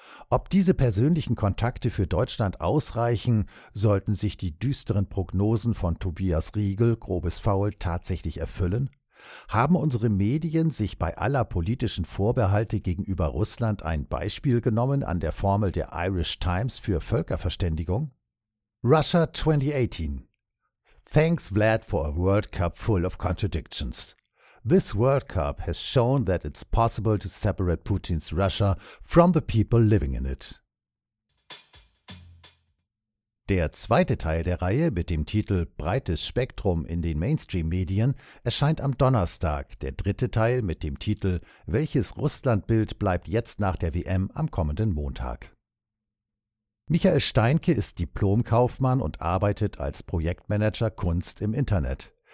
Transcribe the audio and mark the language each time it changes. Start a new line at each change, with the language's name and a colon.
German: Ob diese persönlichen Kontakte für Deutschland ausreichen, sollten sich die düsteren Prognosen von Tobias Riegel, grobes Foul, tatsächlich erfüllen? Haben unsere Medien sich bei aller politischen Vorbehalte gegenüber Russland ein Beispiel genommen an der Formel der Irish Times für Völkerverständigung?
English: Russia 2018. Thanks Vlad for a World Cup full of contradictions. This World Cup has shown that it's possible to separate Putin's Russia from the people living in it.
German: Der zweite Teil der Reihe mit dem Titel Breites Spektrum in den Mainstream-Medien erscheint am Donnerstag, der dritte Teil mit dem Titel Welches Russlandbild bleibt jetzt nach der WM am kommenden Montag? Michael Steinke ist Diplomkaufmann und arbeitet als Projektmanager Kunst im Internet.